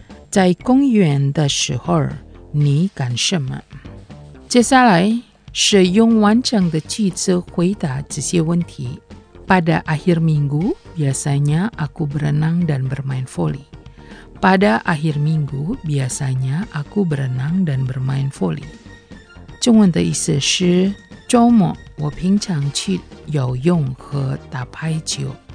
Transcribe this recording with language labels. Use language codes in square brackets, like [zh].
[zh] 在公园的时候你干什么？接下来使用完整的句子回答这些问题。 [id] Pada akhir minggu, biasanya aku berenang dan bermain voli. Pada akhir minggu, biasanya aku berenang dan bermain voli. [zh] 中文的意思是 周末我平常去游泳和打排球。